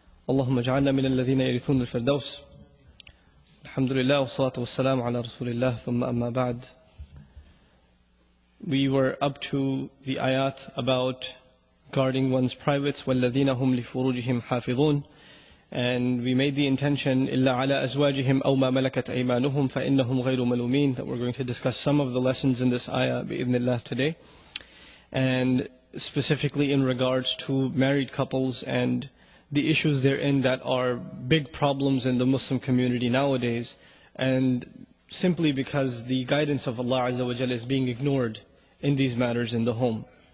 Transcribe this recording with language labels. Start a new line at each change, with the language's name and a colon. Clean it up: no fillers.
Arabic: اللهم اجعلنا من الذين يرثون الفردوس. الحمد لله والصلاة والسلام على رسول الله ثم أما بعد.
English: We were up to the ayat about guarding one's privates.
Arabic: والذين هم لفروجهم حافظون.
English: And we made the intention
Arabic: إلا على أزواجهم أو ما ملكت أيمانهم فإنهم غير ملومين.
English: That we're going to discuss some of the lessons in this ayah بإذن الله today. And specifically in regards to married couples and the issues therein that are big problems in the Muslim community nowadays, and simply because the guidance of Allah Azza wa Jalla is being ignored in these matters in the home.